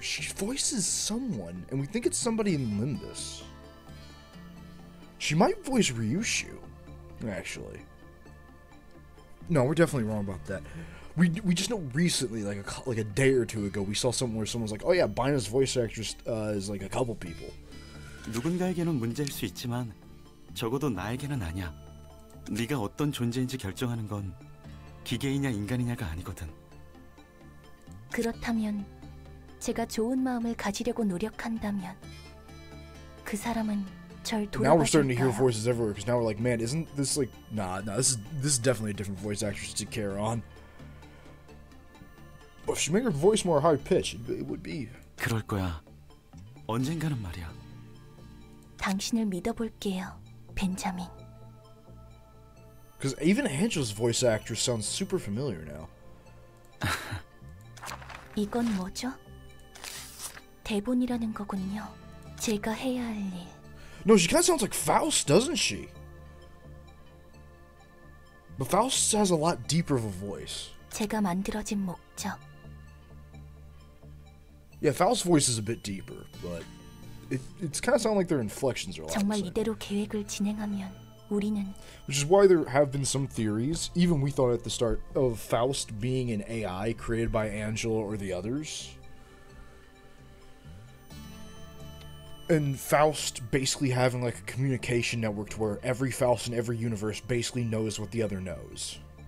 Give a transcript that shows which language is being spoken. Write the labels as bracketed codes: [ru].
[en] She voices someone, and we think it's somebody in Limbus. She might voice Ryushu. Actually, no, we're definitely wrong about that. We just know recently, like a day or two ago, we saw something where someone's like, "Oh yeah, Bina's voice actress is like a couple people." [ko] 누군가에게는 문제일 수 있지만 적어도 나에게는 아니야. 네가 어떤 존재인지 결정하는 건 기계이냐 인간이냐가 아니거든. 그렇다면 제가 좋은 마음을 가지려고 노력한다면 그 사람은. [en] Now we're starting to hear voices everywhere because now we're like, man, isn't this like, nah, this is definitely a different voice actress to care on. But if she made her voice more high pitched, it would be. [ko] 그럴 거야. 언젠가는 말이야. 당신을 믿어볼게요, 벤자민. [en] Because even Angela's voice actress sounds super familiar now. [ko] 이건 뭐죠? 대본이라는 거군요. 제가 해야 할 일. [en] No, she kind of sounds like Faust, doesn't she? But Faust has a lot deeper of a voice. [ko] 제가 만들어진 목적. [en] Yeah, Faust's voice is a bit deeper, but it's kind of sound like their inflections are a lot. [ko] 정말 이대로 계획을 진행하면 우리는. [en] Which is why there have been some theories, even we thought at the start, of Faust being an AI created by Angela or the others. And Faust basically having like a communication network to where every Faust in every universe basically knows what the other knows.